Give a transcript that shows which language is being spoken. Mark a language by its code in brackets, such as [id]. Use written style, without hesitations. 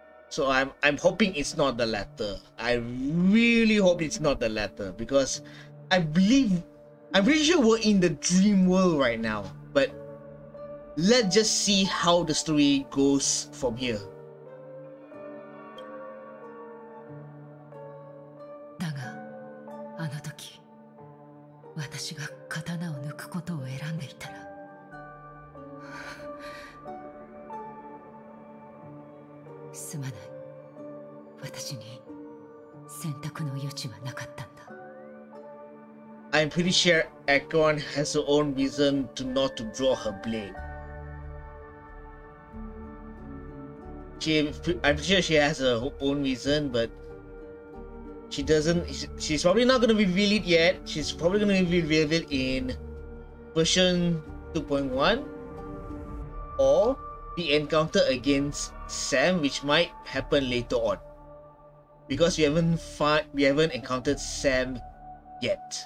[en] So I'm hoping it's not the latter. I really hope it's not the latter, because I'm pretty sure we're in the dream world right now. But let's just see how the story goes from here. [ja] だが、あの時、私が刀を抜くことを選んでいたら。すまない、私に選択の余地はなかったんだ。 [en] I'm pretty sure Ekon has her own reason to not to draw her blade. I'm sure she has her own reason, but she doesn't. She's probably not going to reveal it yet. She's probably going to reveal it in version 2.1 or the encounter against Sam, which might happen later on, because we haven't encountered Sam yet.